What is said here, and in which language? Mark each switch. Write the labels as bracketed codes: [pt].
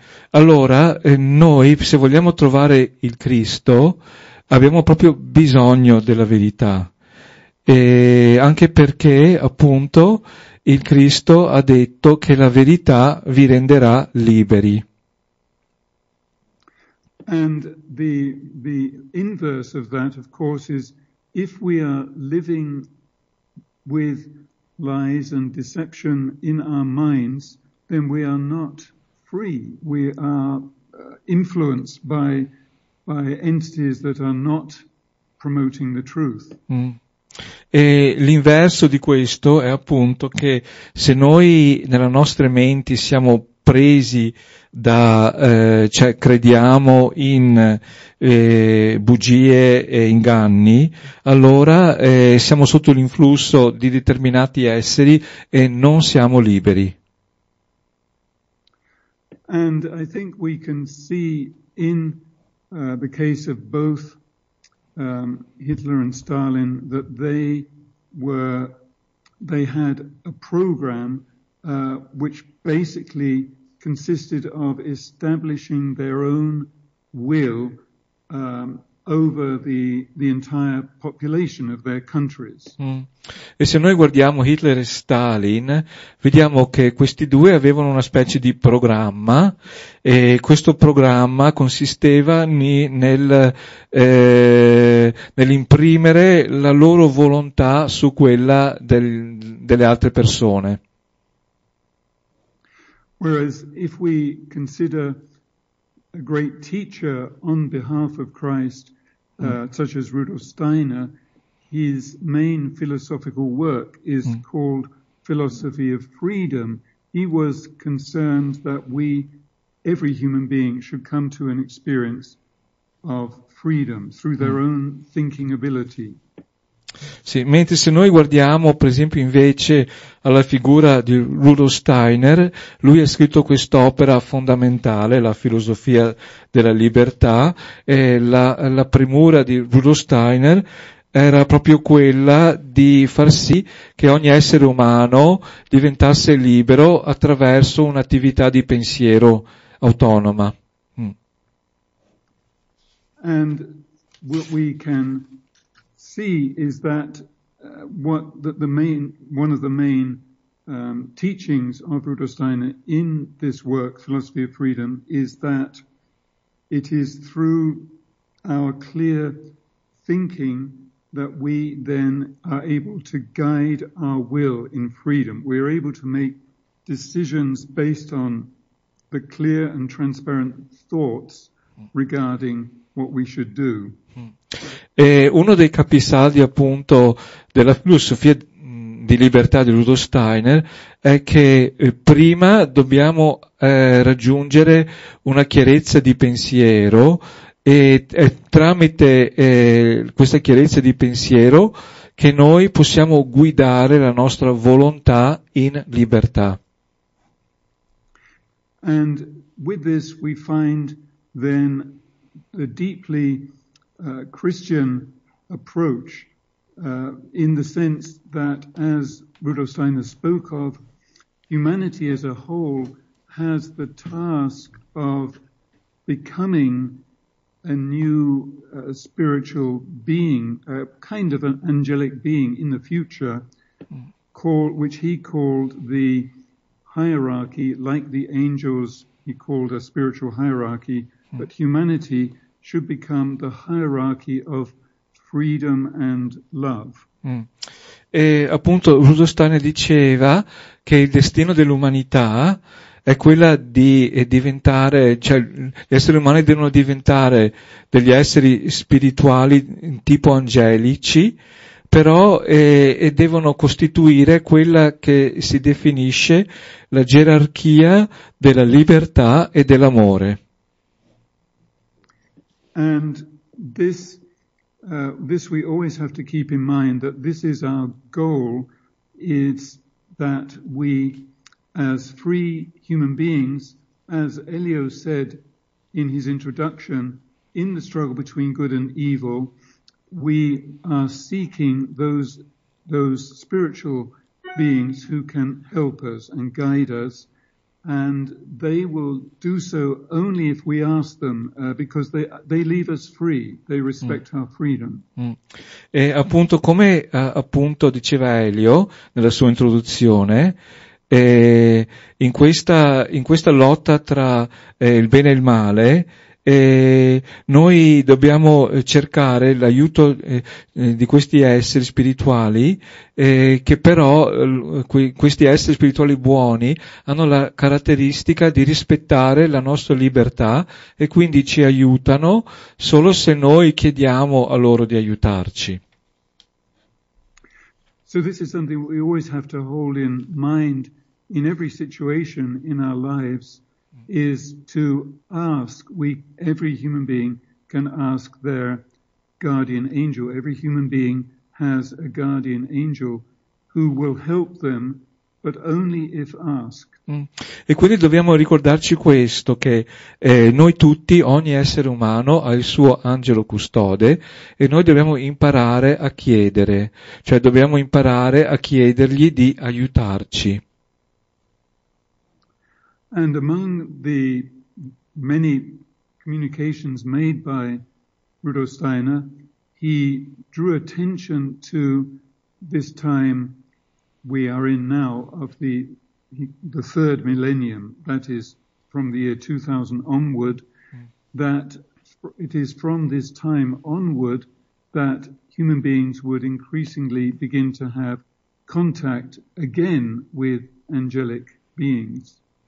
[it] Allora, noi, se vogliamo trovare il Cristo, abbiamo proprio bisogno della verità. Anche perché, appunto, il Cristo ha detto che la verità vi renderà liberi. [en] And the inverse of that, of course, is if we are living with lies and deception in our minds, then we are not free. We are influenced by entities that are not promoting the truth. [it] E l'inverso di questo è appunto che se noi nella nostra mente siamo presi da, cioè crediamo in bugie e inganni, allora siamo sotto l'influsso di determinati esseri e non siamo liberi. [en] And I think we can see in the case of both Hitler and Stalin that they had a program which basically consisted of establishing their own will over the entire population of their countries. [it] E se noi guardiamo Hitler e Stalin, vediamo che questi due avevano una specie di programma, e questo programma consisteva nell'imprimere la loro volontà su quella delle altre persone. [en] Whereas if we consider a great teacher on behalf of Christ, such as Rudolf Steiner, his main philosophical work is called Philosophy of Freedom. He was concerned that we, every human being, should come to an experience of freedom through their own thinking ability. [it] Sì, mentre se noi guardiamo, per esempio, invece alla figura di Rudolf Steiner, lui ha scritto quest'opera fondamentale, La filosofia della libertà, e la premura di Rudolf Steiner era proprio quella di far sì che ogni essere umano diventasse libero attraverso un'attività di pensiero autonoma. [en] And what we can see is that one of the main teachings of Rudolf Steiner in this work, Philosophy of Freedom, is that it is through our clear thinking that we then are able to guide our will in freedom. We are able to make decisions based on the clear and transparent thoughts regarding what we should do. [it] E uno dei capisaldi appunto della filosofia di libertà di Rudolf Steiner è che prima dobbiamo raggiungere una chiarezza di pensiero e tramite questa chiarezza di pensiero che noi possiamo guidare la nostra volontà in libertà. [en] And with this we find then a deeply Christian approach in the sense that, as Rudolf Steiner spoke of, humanity as a whole has the task of becoming a new spiritual being, a kind of an angelic being in the future, which he called the hierarchy, like the angels he called a spiritual hierarchy, but humanity should become the hierarchy of freedom and love. [it] E appunto Rudolf Steiner diceva che il destino dell'umanità è quella di diventare, cioè gli esseri umani devono diventare degli esseri spirituali tipo angelici, però e devono costituire quella che si definisce la gerarchia della libertà e dell'amore. [en] And this this we always have to keep in mind, that this is our goal, is that we, as free human beings, as Elio said in his introduction, in the struggle between good and evil, we are seeking those spiritual beings who can help us and guide us. And they will do so only if we ask them, because they leave us free, they respect our freedom. [it] E appunto, come appunto diceva Elio nella sua introduzione, in questa lotta tra il bene e il male, noi dobbiamo cercare l'aiuto di questi esseri spirituali, che però questi esseri spirituali buoni hanno la caratteristica di rispettare la nostra libertà e quindi ci aiutano solo se noi chiediamo a loro di aiutarci. [en] So this is something we always have to hold in mind in every situation in our lives, is to ask. Every human being can ask their guardian angel. Every human being has a guardian angel who will help them, but only if asked. [it] E quindi dobbiamo ricordarci questo, che noi tutti, ogni essere umano ha il suo angelo custode, e noi dobbiamo imparare a chiedere, cioè dobbiamo imparare a chiedergli di aiutarci. [en] And among the many communications made by Rudolf Steiner, he drew attention to this time we are in now of the third millennium, that is from the year 2000 onward, that it is from this time onward that human beings would increasingly begin to have contact again with angelic beings.